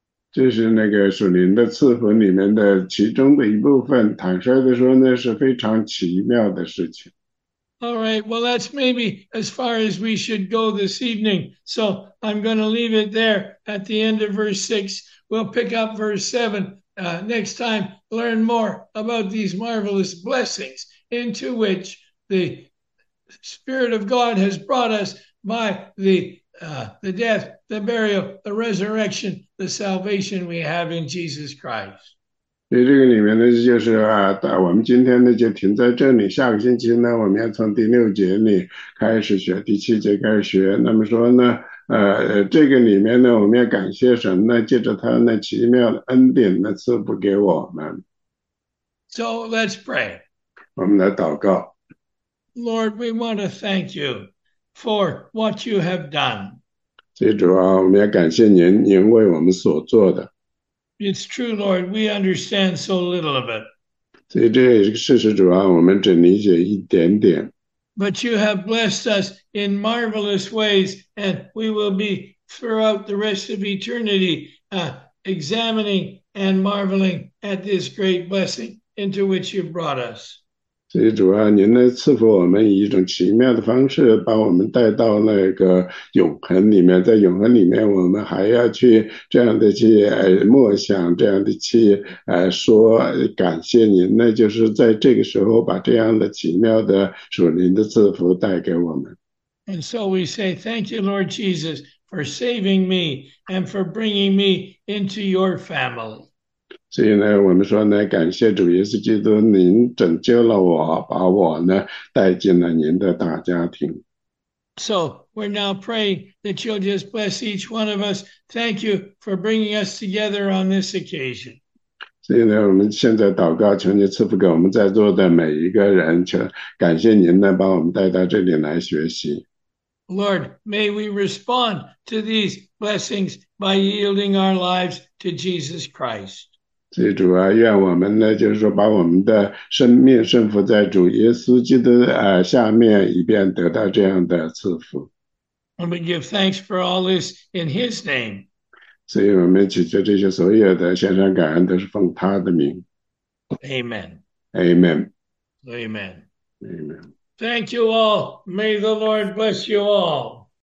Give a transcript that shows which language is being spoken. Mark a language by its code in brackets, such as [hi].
[zh] 这是那个属灵的赐福里面的其中的一部分。坦率的说呢，是非常奇妙的事情。 [en] All right, well, that's maybe as far as we should go this evening. So I'm going to leave it there at the end of verse 6. We'll pick up verse 7 next time, learn more about these marvelous blessings. Into which the Spirit of God has brought us by the death, the burial, the resurrection, the salvation we have in Jesus Christ. [zh] 所以这个里面呢，就是啊，我们今天呢就停在这里。下个星期呢，我们要从第六节里开始学，第七节开始学。那么说呢，这个里面呢，我们要感谢神呢，借着他那奇妙的恩典呢，赐福给我们。 [en] So let's pray. [zh] 我们来祷告。 [en] Lord, we want to thank you for what you have done. [zh] 所以主啊，我们要感谢您，您为我们所做的。 [en] It's true, Lord, we understand so little of it. [zh] 所以这也是个事实，主啊，我们只理解一点点。 [en] But you have blessed us in marvelous ways, and we will be throughout the rest of eternity, examining and marveling at this great blessing into which you've brought us. [zh] 所以主啊，您呢赐福我们以一种奇妙的方式，把我们带到那个永恒里面，在永恒里面，我们还要去这样的去默想，这样的去说感谢您，那就是在这个时候把这样的奇妙的属灵的赐福带给我们。 [en] And so we say, thank you, Lord Jesus, for saving me and for bringing me into your family. [zh] 所以呢，我们说呢，感谢主耶稣基督，您拯救了我，把我呢带进了您的大家庭。 [en] So we're now praying that you'll just bless each one of us. Thank you for bringing us together on this occasion. [zh] 所以呢，我们现在祷告，求您赐福给我们在座的每一个人，求感谢您呢，把我们带到这里来学习。 [en] Lord, may we respond to these blessings by yielding our lives to Jesus Christ. [zh] 所以主啊，愿我们呢，就是说，把我们的生命顺服在主耶稣基督下面，以便得到这样的赐福。 [en] And we give thanks for all this in His name. [zh] 所以我们祈求这些所有的献上感恩，都是奉他的名。 [en] Amen. Amen。 Amen. Amen。 Thank you all. May the Lord bless you all.